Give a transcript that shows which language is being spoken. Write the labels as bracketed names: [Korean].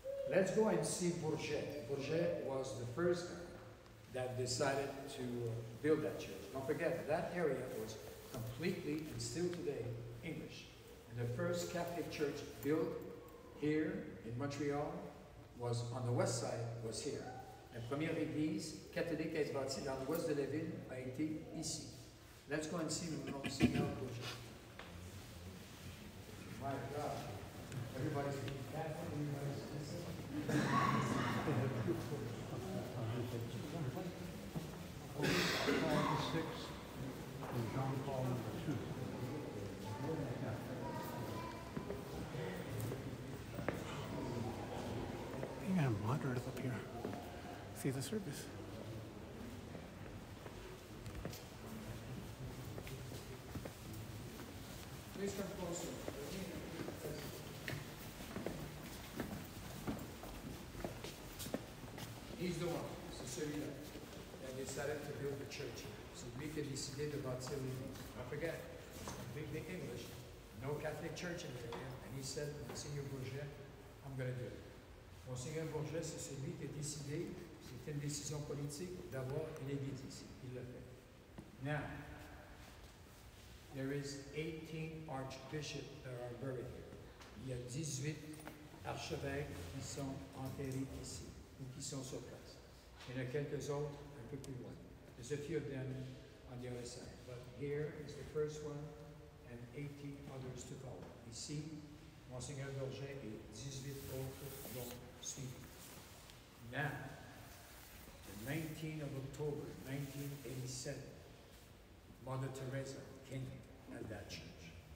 [English] Let's go and see Bourget. Bourget was the first guy that decided to build that church. Don't forget, that area was completely, and still today, English. And the first Catholic church built here in Montreal was on the west side, was here. [French] La première église catholique est bâtie dans l'ouest de la ville a été ici. [English] Let's go and see the Monseigneur Bourget. My God, everybody's being Catholic, everybody's missing. Pope Paul VI and Jean Paul II. I'm going to moderate up here. See the service. Please come closer. He's the one, [French] c'est celui-là, [English] that decided to build the church. So we can decide about celui-là. Don't forget, completely English, no Catholic church in the area. And he said, Monsignor Bourget, I'm going to do it. [French] Monseigneur Bourget, c'est celui qui a décidé, c'était une décision politique, d'avoir une église ici. Il l'a fait. [English] Now, there is 18 archbishops that are buried here. [French] Il y a 18 archevêques qui sont enterrés ici, ou qui sont sur place. Il y en a quelques autres un peu plus loin. [English] There's a few of them on the other side. But here is the first one, and 18 others to follow. [French] Ici, Monseigneur Bourget et 18 autres vont suivre. [English] Now, the 19th of October, 1987, Mother Teresa came at that church.